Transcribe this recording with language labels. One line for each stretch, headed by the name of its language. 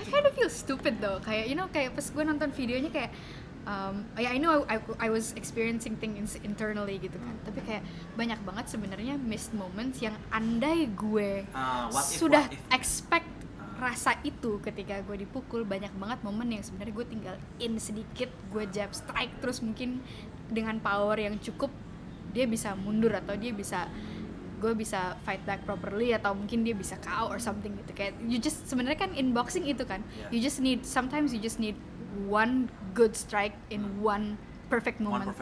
English: kind of feel stupid though. Kayak you know
Indonesian: kayak pas gue nonton videonya kayak
English: I know I was experiencing things internally
Indonesian: gitu kan. Tapi kayak banyak banget sebenarnya
English: missed moments
Indonesian: yang andai gue sudah expect rasa itu ketika gue dipukul, banyak banget momen yang sebenarnya gue tinggal in sedikit, gue jab strike terus mungkin dengan power yang cukup dia bisa mundur atau dia bisa gue bisa
English: fight back properly
Indonesian: atau mungkin dia bisa KO
English: or something
Indonesian: gitu.
English: Kayak you just
Indonesian: sebenarnya kan
English: in boxing
Indonesian: itu kan,
English: yeah, you just need sometimes you just need one good strike in one perfect moment.